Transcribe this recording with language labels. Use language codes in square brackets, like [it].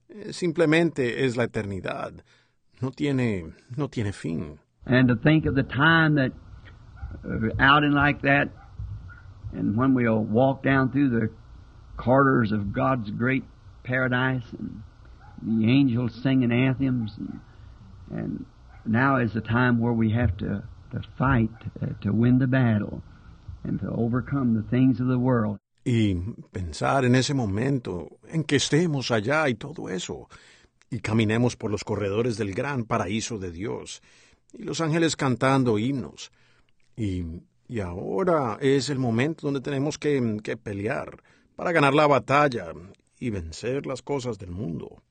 [es] Simplemente es la eternidad. No tiene fin. [en] And to think of the time that out in like that, and when we'll walk down through the corridors of God's great paradise, and the angels singing anthems, and now is the time where we have to fight to win the battle and to overcome the things of the world. [es] Y pensar en ese momento en que estemos allá y todo eso. Y caminemos por los corredores del gran paraíso de Dios, y los ángeles cantando himnos. Y ahora es el momento donde tenemos que pelear para ganar la batalla y vencer las cosas del mundo.